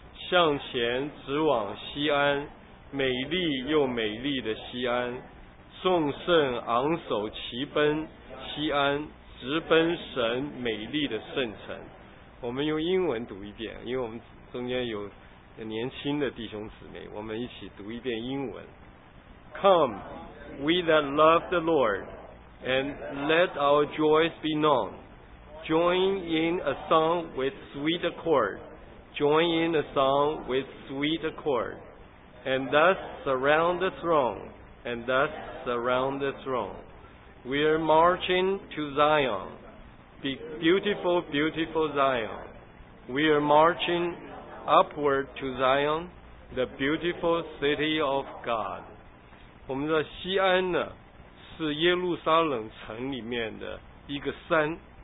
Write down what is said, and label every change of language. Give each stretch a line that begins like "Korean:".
Chinese: 向前直往西安，美丽又美丽的西安，众圣昂首齐奔西安，直奔神美丽的圣城。我们用英文读一遍，因为我们中间有年轻的弟兄姊妹，我们一起读一遍英文。
English: Come, we that love the Lord, and let our joys be known. Join in a song with sweet accord. Join in a song with sweet accord. And thus surround the throne. And thus surround the throne. We are marching to Zion. Be beautiful, beautiful Zion. We are marching upward to Zion, the beautiful city of God.
Chinese: 我们的西安呢，是耶路撒冷城里面的一个山。